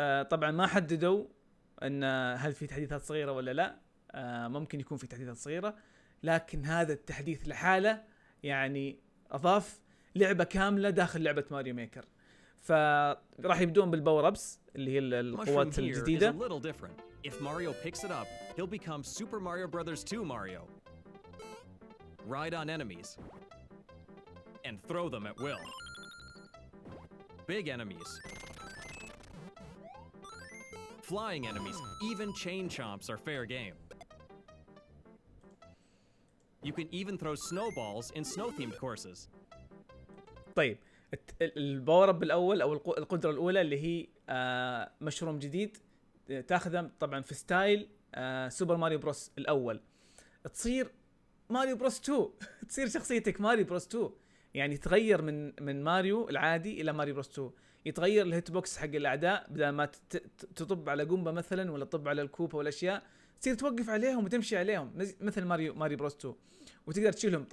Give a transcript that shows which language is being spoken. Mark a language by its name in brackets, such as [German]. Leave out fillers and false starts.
[Arabic] طبعا ما حددوا ان هل في تحديثات صغيره ولا لا، ممكن يكون في تحديثات صغيره، لكن هذا التحديث لحاله يعني اضاف لعبه كامله داخل لعبه ماريو ميكر. فراح يبدون بالباور ابس اللي هي القوات الجديده. [English] If Mario picks it up, he'll become Super Mario Brothers 2 Mario. Ride on enemies and throw them at will. Big enemies, flying enemies, even chain chomps are fair game. You can even throw snowballs in snow-themed courses. [Arabic] طيب الباور اب الاول او القدره الاولى اللي هي مشروم جديد تاخذه طبعا في ستايل سوبر ماريو بروس الاول، تصير ماريو بروس 2، تصير شخصيتك ماريو بروس 2، يعني تغير من ماريو العادي الى ماريو بروس 2، يتغير الهيت بوكس حق الاعداء، بدل ما تطب على قومبا مثلا ولا تطب على الكوبا والاشياء، تصير توقف عليهم وتمشي عليهم مثل ماريو بروس 2، وتقدر تشيلهم.